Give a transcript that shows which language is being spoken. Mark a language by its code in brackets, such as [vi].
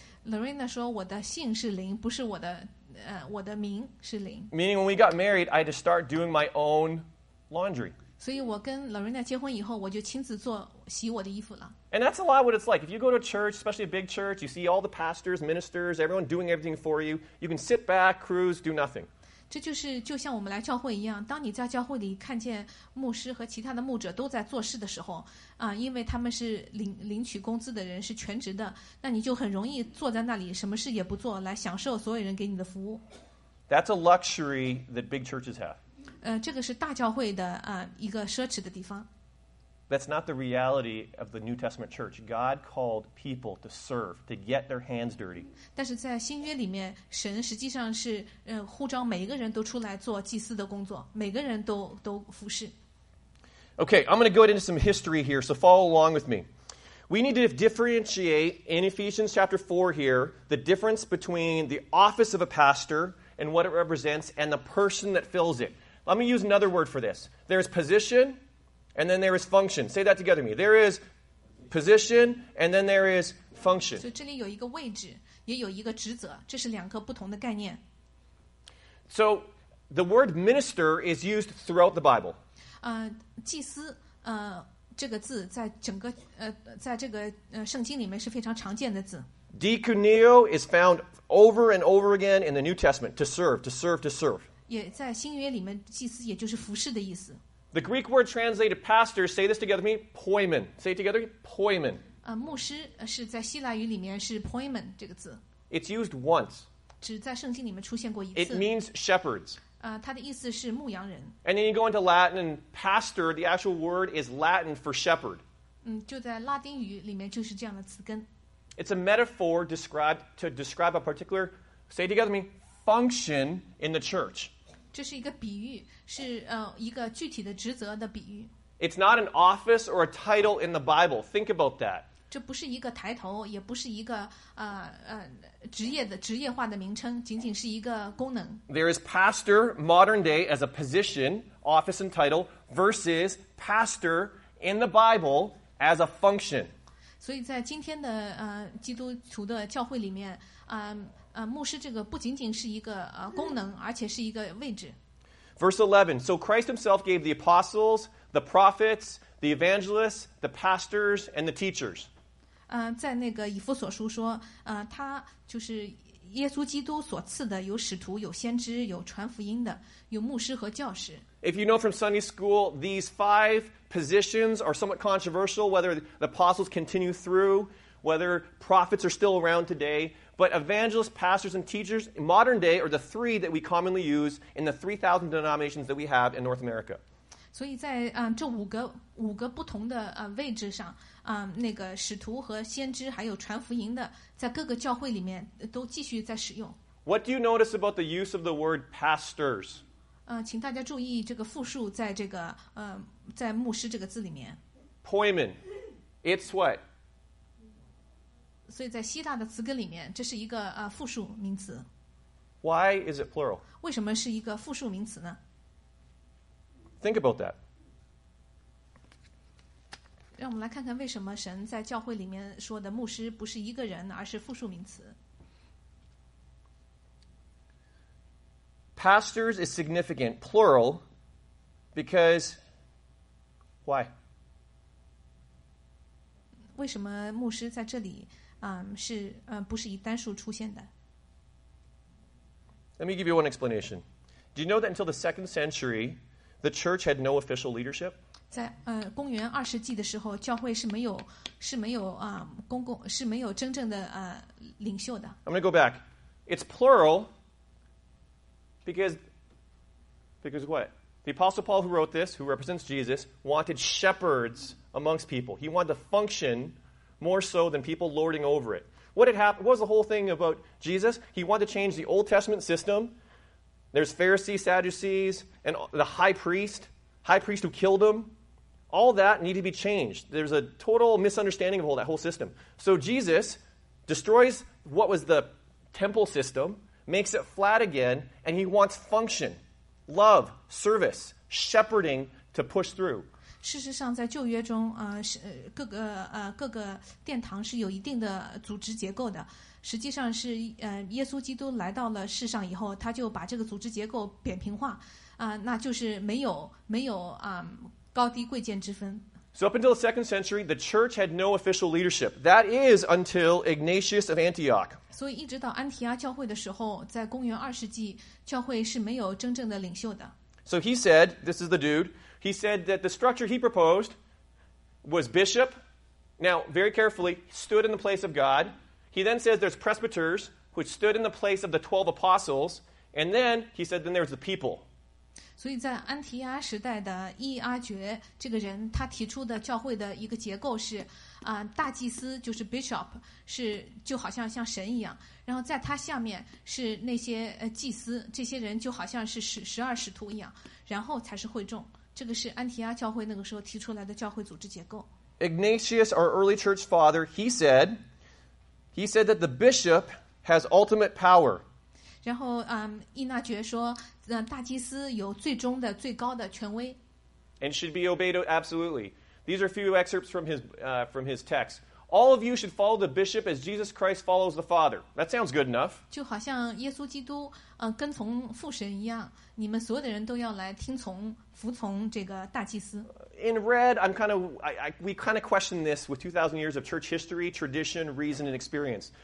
[zh] Lorena 说我的姓是林，不是我的我的名是林。 [en] Meaning when we got married, I had to start doing my own laundry. [zh] 所以我跟 Lorena 结婚以后，我就亲自做洗我的衣服了。 [en] And that's a lot what it's like. If you go to a church, especially a big church, you see all the pastors, ministers, everyone doing everything for you. You can sit back, cruise, do nothing. [zh] 这就是就像我们来教会一样，当你在教会里看见牧师和其他的牧者都在做事的时候，啊，因为他们是领取工资的人，是全职的，那你就很容易坐在那里，什么事也不做，来享受所有人给你的服务。 [en] That's a luxury that big churches have. [zh] 这个是大教会的一个奢侈的地方。 [en] That's not the reality of the New Testament church. God called people to serve, to get their hands dirty. [zh] 但是在新约里面，神实际上是呼召每一个人都出来做祭司的工作，每个人都服侍。 [en] Okay, I'm going to go into some history here, so follow along with me. We need to differentiate in Ephesians chapter 4 here, the difference between the office of a pastor and what it represents and the person that fills it. Let me use another word for this. There's position, and then there is function. Say that together with me. There is position, and then there is function. [zh] So 这里有一个位置，也有一个职责，这是两个不同的概念。 [en] So the word minister is used throughout the Bible. [zh] 祭司，这个字在整个在这个圣经里面是非常常见的字。 [en] Diakonia is found over and over again in the New Testament, to serve, to serve, to serve. [zh] 也在新约里面，祭司也就是服侍的意思。 [en] The Greek word translated pastor, say this together with me, poimen. Say it together, poimen. [zh] 牧师是在希腊语里面是 poimen 这个字。 [en] It's used once. [zh] 只在圣经里面出现过一次。 [en] It means shepherds. [zh] 它的意思是牧羊人。 [en] And then you go into Latin, and pastor, the actual word is Latin for shepherd. [zh] 就在拉丁语里面就是这样的词根。 [en] It's a metaphor described to describe a particular, say it together with me, function in the church. [zh] 这是一个比喻，是一个具体的职责的比喻。 [en] It's not an office or a title in the Bible. Think about that. [zh] 这不是一个抬头，也不是一个职业化的名称，仅仅是一个功能。 [en] There is pastor modern day as a position, office and title versus pastor in the Bible as a function. [zh] 所以在今天的基督徒的教会里面，牧师这个不仅仅是一个功能，而且是一个位置。 [en] Verse 11, so Christ himself gave the apostles, the prophets, the evangelists, the pastors, and the teachers. [zh] 在那个以弗所书说，他就是耶稣基督所赐的，有使徒，有先知，有传福音的，有牧师和教师。 [en] If you know from Sunday school, these five positions are somewhat controversial, whether the apostles continue through, whether prophets are still around today, but evangelists, pastors, and teachers in modern day are the three that we commonly use in the 3,000 denominations that we have in North America. [zh] 所以在这五个不同的位置上，那个使徒和先知还有传福音的，在各个教会里面都继续在使用。 [en] What do you notice about the use of the word pastors? [zh] 请大家注意这个复数在这个在牧师这个字里面。 [en] Poimen, it's what? [zh] 所以在希腊的词根里面，这是一个复数名词。 [en] Why is it plural? [zh] 为什么是一个复数名词呢？ [en] Think about that. [zh] 让我们来看看为什么神在教会里面说的牧师不是一个人，而是复数名词。 [en] Pastors is significant, plural, because why? [zh] 为什么牧师在这里是不是以单数出现的？ [en] Let me give you one explanation. Do you know that until the second century, the church had no official leadership? [zh] 在公元二世纪的时候，教会是没有是没有真正的领袖的。 [en] I'm going to go back. It's plural. Because what? The Apostle Paul who wrote this, who represents Jesus, wanted shepherds amongst people. He wanted to function more so than people lording over it. What was the whole thing about Jesus? He wanted to change the Old Testament system. There's Pharisees, Sadducees, and the high priest who killed him. All that needed to be changed. There's a total misunderstanding of all that whole system. So Jesus destroys what was the temple system,makes it flat again, and he wants function, love, service, shepherding to push through. [zh] 事实上在旧约中各个殿堂是有一定的组织结构的。实际上是耶稣基督来到了世上以后，他就把这个组织结构扁平化，那就是没有高低贵贱之分。 [en] So up until the second century, the church had no official leadership. That is until Ignatius of Antioch. [zh] 所以一直到安提阿教会的时候，在公元二世纪，教会是没有真正的领袖的。 [en] So he said, this is the dude, he said that the structure he proposed was bishop, now very carefully, stood in the place of God. He then says there's presbyters, which stood in the place of the 12 apostles. And then, he said, then there's the people. [zh] 所以在安提阿时代的伊阿爵这个人，他提出的教会的一个结构是，大祭司就是 bishop， 是就好像像神一样，然后在他下面是那些祭司，这些人就好像是十二使徒一样，然后才是会众。这个是安提阿教会那个时候提出来的教会组织结构。 [en] Ignatius, our early church father, he said that the bishop has ultimate power. [zh] 然后，伊纳爵说，大祭司有最终的最高的权威。 [en] And should be obeyed absolutely. These are a few excerpts from his text. All of you should follow the bishop as Jesus Christ follows the Father. That sounds good enough. [zh] 就好像耶稣基督，跟从父神一样，你们所有的人都要来听从服从这个大祭司。 [en] In red, we kind of question this with 2,000 years of church history, tradition, reason, and experience.